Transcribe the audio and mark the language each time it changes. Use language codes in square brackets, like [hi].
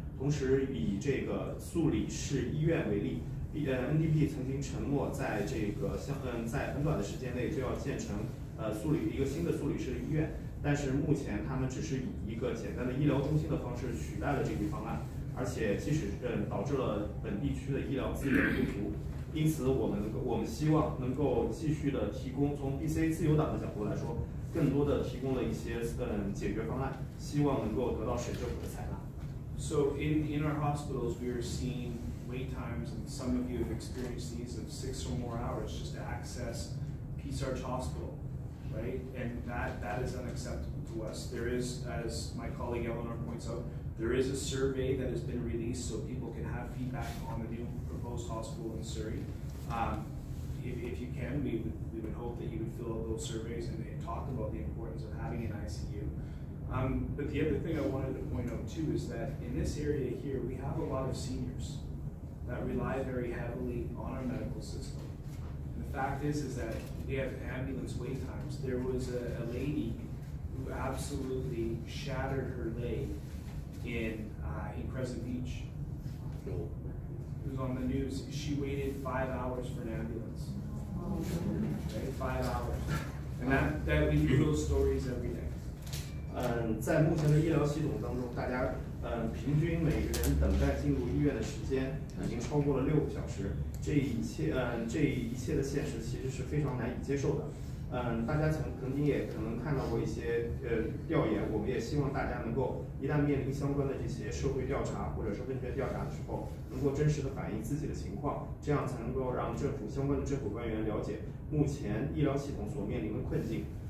[zh] 同时以这个素里市医院为例，NDP 曾经承诺在这个在很短的时间内就要建成一个新的素里市的医院，但是目前他们只是以一个简单的医疗中心的方式取代了这个方案，而且即使导致了本地区的医疗资源不足。因此我们希望能够继续的提供，从 BC 自由党的角度来说，更多的提供了一些解决方案，希望能够得到省政府的采纳。 [en] So in our hospitals we are seeing wait times, and some of you have experienced these, of 6 or more hours just to access Peace Arch Hospital, right? And that is unacceptable to us. There is, as my colleague Elenore points out, there is a survey that has been released so people can have feedback on the new proposed hospital in Surrey. If you can, we would hope that you would fill out those surveys and talk about the importance of having an ICU. But the other thing I wanted to point out too is that in this area here, we have a lot of seniors that rely very heavily on our medical system. And the fact is that we have ambulance wait times. There was a lady who absolutely shattered her leg in Crescent Beach. It was on the news. She waited 5 hours for an ambulance. Right? 5 hours. And that we hear those stories every day. [zh] 在目前的医疗系统当中，大家平均每个人等待进入医院的时间已经超过了6个小时，这一切的现实其实是非常难以接受的。大家曾经看到过一些调研，我们也希望大家能够一旦面临相关的这些社会调查或者是问卷调查的时候，能够真实的反映自己的情况，这样才能够让政府相关的政府官员了解目前医疗系统所面临的困境。